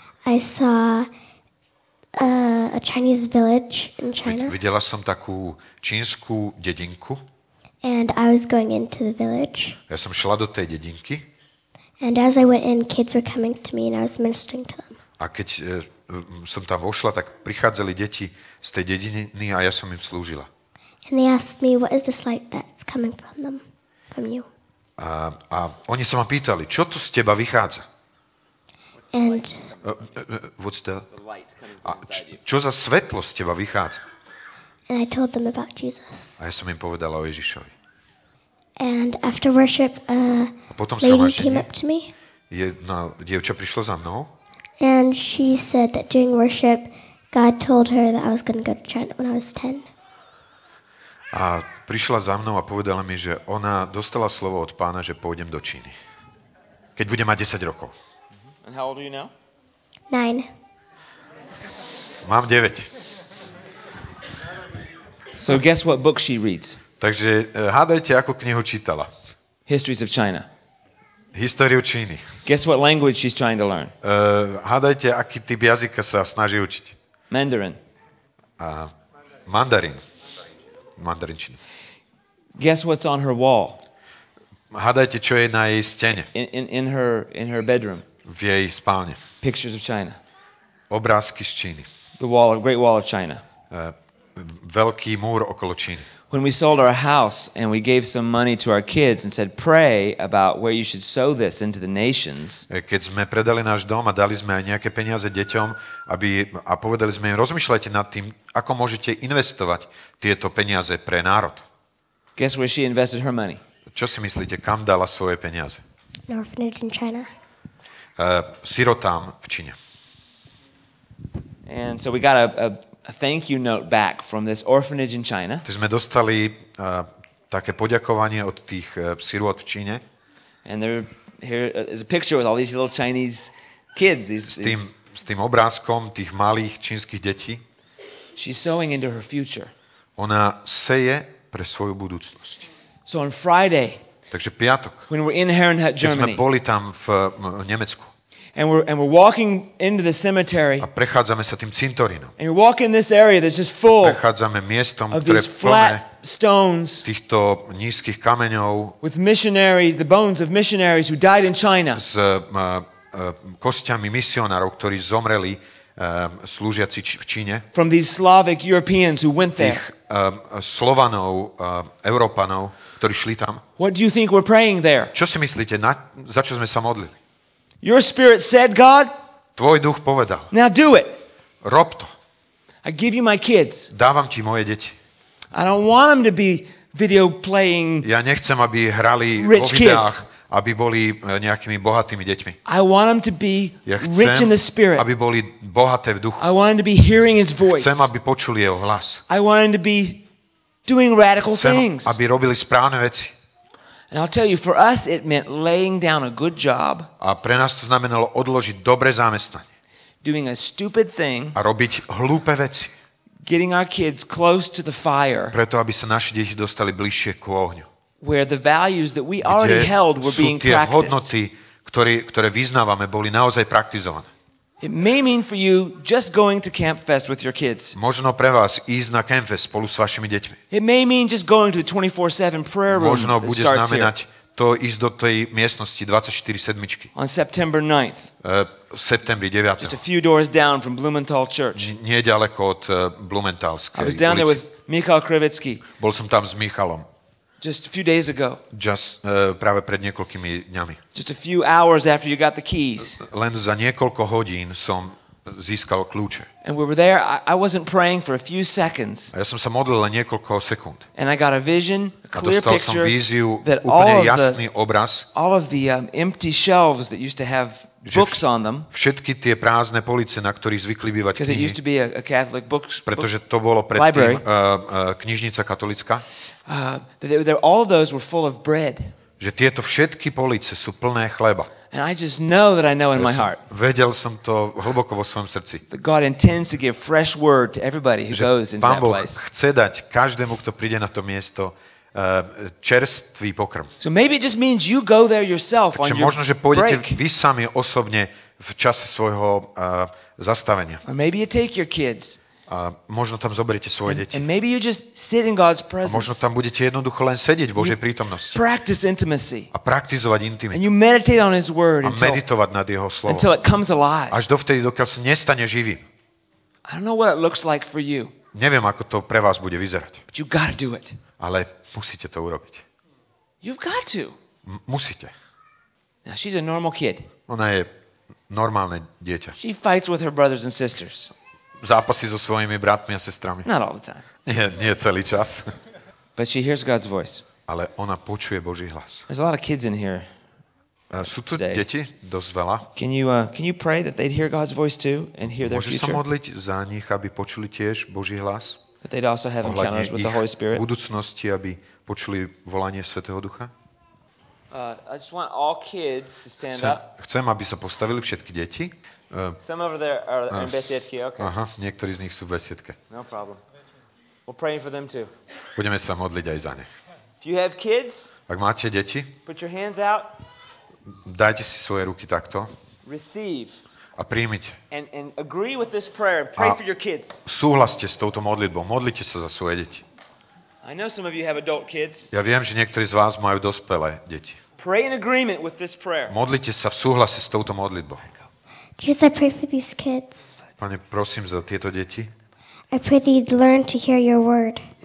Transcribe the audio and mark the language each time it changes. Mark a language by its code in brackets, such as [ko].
[en] I saw a Chinese village in China. [sk] Videla som takú čínsku dedinku. [en] And I was going into the village. [sk] Ja som šla do tej dedinky. [en] And as I went in, kids were coming to me and I was ministering to them. [sk] A keď som tam vošla, tak prichádzali deti z tej dediny a ja som im slúžila. [en] And they asked me, what is this light that's coming from them, from you? [sk] A oni sa ma pýtali, čo to z teba vychádza? [en] And what's the light coming from inside you? [sk] Čo za svetlo z teba vychádza? [en] And I told them about Jesus. [sk] A ja som im povedala o Ježišovi. [en] And after worship, [sk] a potom [en] lady came up to me. [sk] Jedna dievča prišla za mnou. [en] And she said that during worship, God told her that I was going to go to China when I was 10. [sk] A prišla za mnou a povedala mi, že ona dostala slovo od pána, že pôjdem do Číny. Keď budem mať 10 rokov. [en] And how old are you now? 9. [sk] Mám 9. [en] So guess what book she reads. [sk] Takže hádajte, ako knihu čítala. [en] Histories of China. [sk] Históriu Číny. [en] Guess what language she's trying to learn. [sk] Hádajte, aký typ jazyka sa snaží učiť. [en] Mandarin. [sk] Mandarin. Mandarinčinu. [en] Guess what's on her wall. [sk] Hádajte, čo je na jej stene. [en] In her bedroom. [sk] V jej spálne. [en] Pictures of China. [sk] Obrázky z Číny. [en] The wall, great wall of China. [sk] Veľký múr okolo Číny. [en] When we sold our house and we gave some money to our kids and said pray about where you should sow this into the nations. [sk] Keď sme predali náš dom a dali sme aj nejaké peniaze deťom, aby a povedali sme im rozmýšľajte nad tým, ako môžete investovať tieto peniaze pre národ. [en] Guess where she invested her money? [sk] Čo si myslíte, kam dala svoje peniaze? [en] An orphanage in China. [sk] Sirotám v Číne. [en] And so we got a thank you note back from this orphanage in China. [sk] Tak sme dostali také poďakovanie od tých sirot v Číne. [en] And there here is a picture with all these little Chinese kids. [sk] S tým obrázkom tých malých čínskych detí. [en] She's sowing into her future. [sk] Ona seje pre svoju budúcnosť. [en] So on Friday. [sk] Takže piatok. [en] When we're in Herrenhut, Germany. [sk] Keď sme boli tam v Nemecku. [en] And we're walking into the cemetery. [sk] A prechádzame sa tým cintorínom. [en] And we walk in this area that's just full. [sk] Prechádzame miestom, ktoré je plné [en] flat stones. [sk] Týchto nízkych kameňov. [en] With missionaries, the bones of missionaries who died in China. [sk] S kosťami misionárov, ktorí zomreli slúžiaci v Číne. [en] From these Slavic Europeans who went there. [sk] Tých Slovanov, Európanov, ktorí šli tam. [en] What do you think we're praying there? [sk] Čo si myslíte, za čo sme sa modlili? [en] Your spirit said, God. [sk] Tvoj duch povedal. [en] Now do it. [sk] Rob to. [en] I give you my kids. [sk] Dávam ti moje deti. [en] I don't want them to be video playing. [sk] Ja nechcem, aby hrali vo videách, aby boli nejakými bohatými deťmi. [en] I want them to be rich in the spirit. [sk] Aby boli bohaté v duchu. [en] I want them to be hearing his voice. [sk] Chcem, aby počuli jeho hlas. [en] I want them to be doing radical things. [sk] Aby robili správne veci. [en] And I'll tell you, for us it meant laying down a good job. [sk] A pre nás to znamenalo odložiť dobré zamestnanie. [en] Doing a stupid thing. [sk] A robiť hlúpe veci. [en] Getting our kids close to the fire. [sk] Preto aby sa naše deti dostali bližšie k ohňu. [en] Where the values that we already held were being practiced. [sk] Kde sú tie hodnoty, ktoré vyznávame, boli naozaj praktizované. [en] It may mean for you just going to Camp Fest with your kids. [sk] Možno pre vás ísť na Camp Fest spolu s vašimi deťmi. [en] It may mean just going to the 24/7 prayer room. [sk] Možno bude znamenať to ísť do tej miestnosti 24/7. [en] On September 9th. September 9th. Just a few doors down from Blumenthal Church. [sk] Nieďaleko od Blumenthalskej ulice. [en] I was down there with Michal Krivitsky. [sk] Bol som tam s Michalom. [en] Just a few days ago. [sk] Práve pred niekoľkými dňami. [en] Just a few hours after you got the keys. [sk] Len za niekoľko hodín som získal kľúče. [en] And we were there. I wasn't praying for a few seconds. [sk] A ja som sa modlil len niekoľko sekúnd. [en] And I got a vision, a clear picture. [sk] A dostal som víziu, úplne jasný obraz. [en] All of the empty shelves that used to have books on them. [sk] Všetky tie prázdne police, na ktorých zvykli bývať knihy. [en] Because it used to be a Catholic books. [sk] Pretože to bolo predtým knižnica katolická. [en] All of those were full of bread. [sk] Že tieto všetky police sú plné chleba. [en] And I just know that I know in my heart. [sk] Vedel som to hlboko vo svojom srdci. [en] That God intends to give fresh word to everybody who goes into that place. [sk] Pán Boh chce dať každému, kto príde na to miesto, čerstvý pokrm. [en] So maybe it just means you go there yourself on your break. [sk] Možno, že pôjdete vy sami osobne v čase svojho zastavenia. [en] Or maybe you take your kids. [sk] A možno tam zoberiete svoje deti. [en] And maybe you just sit in God's presence. [sk] A možno tam budete jednoducho len sedieť v Božej prítomnosti. [en] Practice intimacy. [sk] A praktizovať intimitu. [en] And you meditate on his word [sk] until, a meditovať nad jeho slovom. [en] Until it comes alive. [sk] Až dovtedy, dokiaľ sa nestane živým. [en] I don't know what it looks like for you. [sk] Neviem, ako to pre vás bude vyzerať. [en] But you got to do it. [sk] Ale musíte to urobiť. [en] You've got to. [sk] Musíte. [en] Now she's a normal kid. [sk] Ona je normálne dieťa. [en] She fights with her brothers and sisters. [sk] Zápasí so svojimi bratmi a sestrami. [en] Not all the time. [sk] Nie celý čas. [en] But she hears God's voice. [sk] Ale ona počuje Boží hlas. [en] There's a lot of kids in here. [sk] Sú tu deti? Dosť veľa. [en] Can you pray that they'd hear God's voice too and hear their future? [sk] Môžeš sa modliť za nich, aby počuli tiež Boží hlas? [en] That they'd also have encounters with the Holy Spirit. [sk] V budúcnosti, aby počuli volanie Svätého Ducha? [en] I just want all kids to stand up. [sk] Chcem, aby sa postavili všetky deti. [en] Some over there are in besiedky, okay. [sk] Aha, niektorí z nich sú v besiedke. [en] No problem. We're praying for them too. [sk] Budeme sa modliť aj za ne. [en] If you have kids, [sk] ak máte deti, [en] put your hands out. [sk] Dajte si svoje ruky takto. [en] Receive. [sk] A prijmite. [en] And agree with this prayer. Pray for your kids. [sk] Súhlaste s touto modlitbou. Modlite sa za svoje deti. [en] I know some of you have adult kids. [sk] Ja viem, že niektorí z vás majú dospelé deti. [en] Pray in agreement with this prayer. [sk] Modlite sa v súhlase s touto modlitbou. [en] Jesus, I pray for these kids. [sk] Pane, prosím za tieto deti. [en] I pray that you'd learn to hear your word.